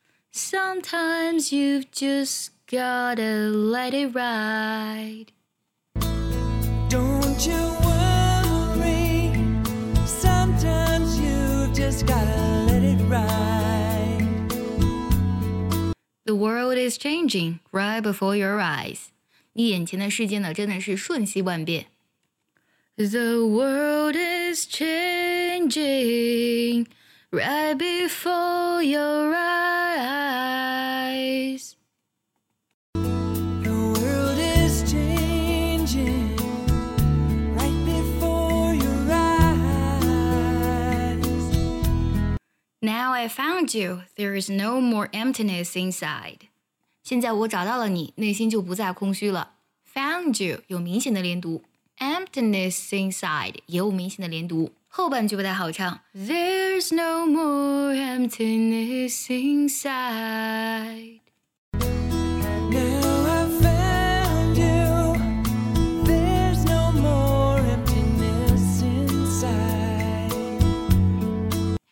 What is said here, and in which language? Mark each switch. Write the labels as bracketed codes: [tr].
[en] Sometimes you've just gotta let it ride Don't you worry Sometimes you've just gotta let it ride The world is changing right before your eyes [zh] 你眼前的世界呢，真的是瞬息万变。 [en] The world is changing right before your eyes. The world is changing right before your eyes. Now I found you, there is no more emptiness inside. [zh] 现在我找到了你，内心就不再空虚了。 [en] Found you [zh] 有明显的连读 [en] Emptiness inside [zh] 也有明显的连读后半句不太好唱 [en] There's no more emptiness inside Now I found you There's no more emptiness inside